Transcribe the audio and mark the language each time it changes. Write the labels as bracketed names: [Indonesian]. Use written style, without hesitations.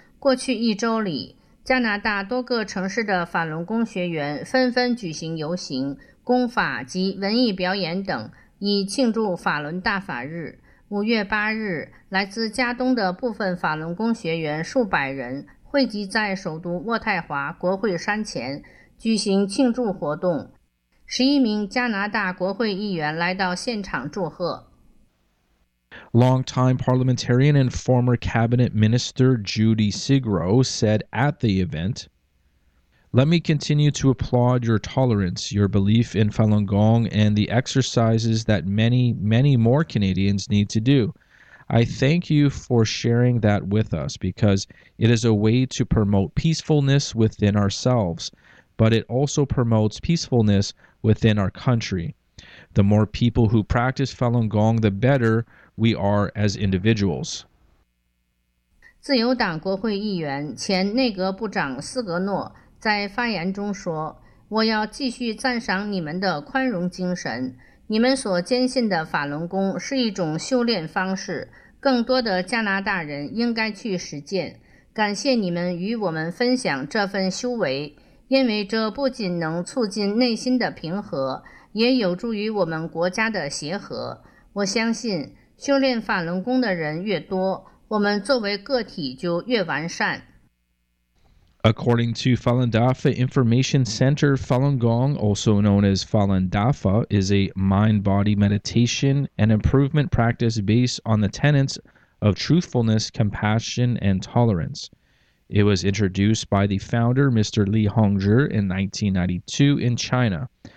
[Chinese] 过去一周里，加拿大多个城市的法轮功学员纷纷举行游行、功法及文艺表演等，以庆祝法轮大法日。 5月8日，来自加东的部分法轮功学员数百人汇集在首都渥太华国会山前，举行庆祝活动。 11名加拿大国会议员来到现场祝贺。 [English] Longtime parliamentarian and former cabinet minister Judy Sigro said at the event, "Let me continue to applaud your tolerance, your belief in Falun Gong, and the exercises that many, many more Canadians need to do. I thank you for sharing that with us because it is a way to promote peacefulness within ourselves, but it also promotes peacefulness within our country. The more people who practice Falun Gong, the better we are as individuals." [Chinese] 自由党国会议员、前内阁部长斯格诺在发言中说，我要继续赞赏你们的宽容精神。你们所坚信的法轮功是一种修炼方式，更多的加拿大人应该去实践。感谢你们与我们分享这份修为，因为这不仅能促进内心的平和，也有助于我们国家的协和。我相信修炼法轮功的人越多，我们作为个体就越完善。 [English] According to Falun Dafa Information Center, Falun Gong, also known as Falun Dafa, is a mind-body meditation and improvement practice based on the tenets of truthfulness, compassion, and tolerance. It was introduced by the founder, Mr. Li Hongzhi, in 1992 in China.